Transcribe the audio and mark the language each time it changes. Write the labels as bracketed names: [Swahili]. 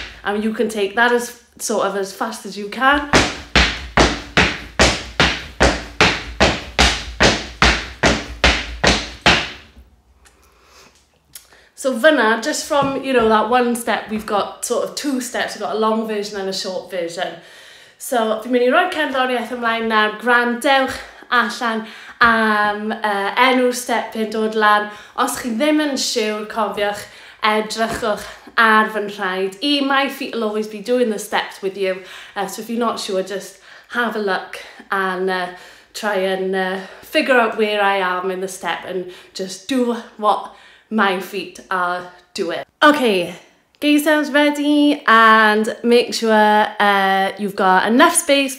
[English] And you can take that as sort of as fast as you can. So fyna, just from, you know, that one step, we've got sort of two steps. We've got a long version and a short version. [Welsh] So fi'n mynd i roi'r cerddoriaeth ymlaen nawr. Gwrandewch allan am enw'r step yn dod lan. Os chi ddim yn siŵr, cofiwch, edrychwch ar fy nhraed. [English] I, my feet will always be doing the steps with you. So if you're not sure, just have a look and try and figure out where I am in the step and just do what my feet are doing. Okay, get yourselves ready and make sure you've got enough space.